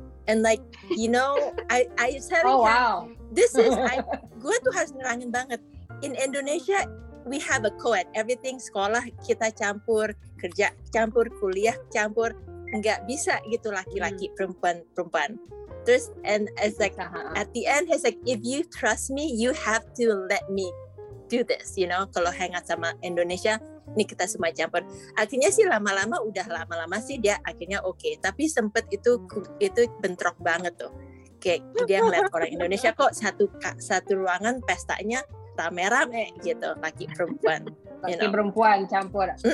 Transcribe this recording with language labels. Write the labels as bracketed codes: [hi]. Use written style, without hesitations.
[en] And like, you know, I said, this is, [id] gue tuh harus nerangin banget. [en] In Indonesia, we have a co-ed. Everything, [id] sekolah kita campur, kerja campur, kuliah campur. Nggak bisa gitu laki-laki, perempuan-perempuan. Terus, [en] and it's like, at the end, he's like, if you trust me, you have to let me do this, you know. [id] Kalau hangat sama Indonesia, ini kita semua campur. Akhirnya sih lama-lama sih dia akhirnya okay. Tapi sempet itu bentrok banget tuh. Kayak dia ngeliat orang Indonesia kok satu ruangan pestanya rame-rame gitu, laki perempuan. Laki perempuan campur.